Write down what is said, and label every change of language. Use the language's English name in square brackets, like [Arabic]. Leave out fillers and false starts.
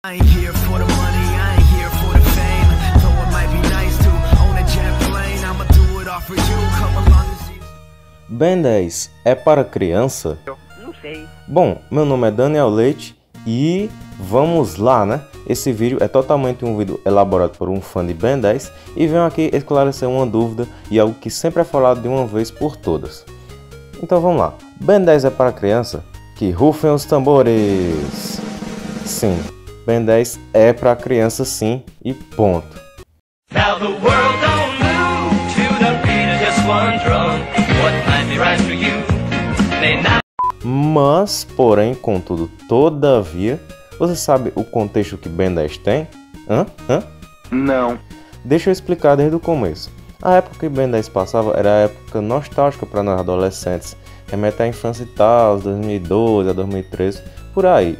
[English] I ain't here for the money, I ain't here for the fame. Though it might be nice to own a jet plane, I'ma do it all for you, come along and see. [Portuguese] Ben 10 é para criança? Não sei. Bom, meu nome é Daniel Leite e vamos lá, né? Esse vídeo é totalmente um vídeo elaborado por um fã de Ben 10 e venho aqui esclarecer uma dúvida e algo que sempre é falado de uma vez por todas. Então vamos lá. Ben 10 é para criança? Que rufem os tambores! Sim, Ben 10 é para criança sim e ponto. [English] Now the world don't move to the beat of just one drum. What might be right for you? May not. [Portuguese] Mas, porém, contudo, todavia, você sabe o contexto que Ben 10 tem? Hã? Hã? Não. Deixa eu explicar desde o começo. A época que Ben 10 passava era a época nostálgica para nós adolescentes. Remete à infância e tal, 2012 a 2013, por aí.